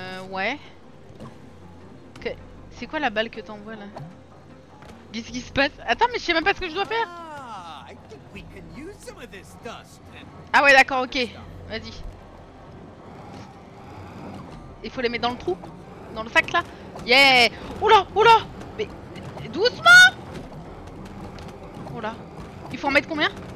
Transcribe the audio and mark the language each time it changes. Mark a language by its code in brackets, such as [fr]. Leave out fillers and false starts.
[fr] Ouais. Okay. C'est quoi la balle que t'envoies là? Qu'est-ce qui se passe? Attends, mais je sais même pas ce que je dois faire. [en] I think we can use some of this dust. [fr] Ah ouais, d'accord, ok. Vas-y. Il faut les mettre dans le trou, dans le sac là. Yeah. Oula, oula. Mais doucement. Oula. Il faut en mettre combien?